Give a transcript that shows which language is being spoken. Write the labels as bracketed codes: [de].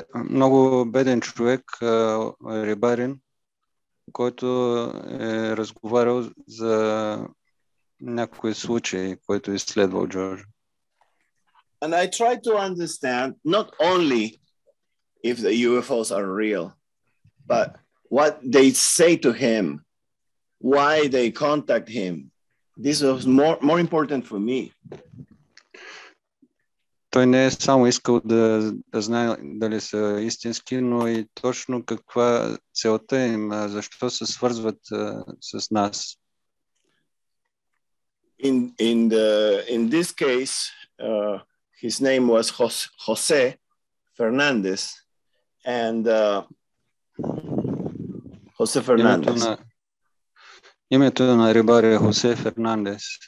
[bg] Много беден човек, рибарин, който е разговарял за някои случаи, който изследвал Джордж. [en] And I tried to understand not only if the UFOs are real, but what they say to him, why they contact him. This was more important for me. [bg] Той не е само искал да знае дали са истински, но и точно каква целта им, защо се свързват с нас. [en] In this case, his name was Jose Fernandez, and Jose Fernandez. [bg] Името на рибаря Хосе Фернандес.